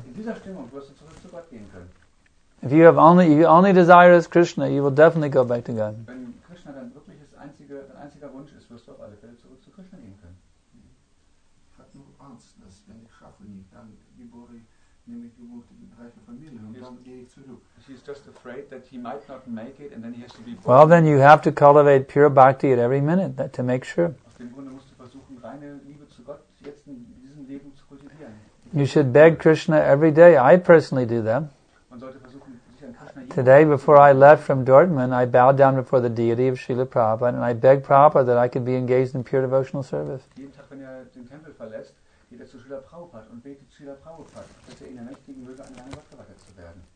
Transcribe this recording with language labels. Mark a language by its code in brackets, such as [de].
[de] In dieser Stimmung wirst du zurück zu Gott gehen können. [en] If you have only, if your only desire is Krishna, you will definitely go back to God. [de] Wenn Krishna dann wirklich dein einziger Wunsch ist, wirst du auf alle Fälle zurück zu Krishna gehen können. Ich habe nur Angst, dass wenn ich schaffe nicht, dann geboren nämlich geboren in der reichen Familie und dann gehe ich zurück. [en] He's just afraid that he might not make it and then he has to be born. Well, then you have to cultivate pure bhakti at every minute to make sure. [de] Aus dem Grunde musst du versuchen, reine Liebe zu Gott jetzt in diesem Leben zu kultivieren. [en] You should beg Krishna every day. I personally do that. [de] Man sollte versuchen, sich an Krishna. [en] Today, before I left from Dortmund, I bowed down before the deity of Srila Prabhupada and I begged Prabhupada that I could be engaged in pure devotional service. [de] Jeden Tag, wenn er den Tempel verlässt, geht er zu Srila Prabhupada und betet Srila Prabhupada, dass er in der mächtigen Möge an seine Gott geweiht zu werden.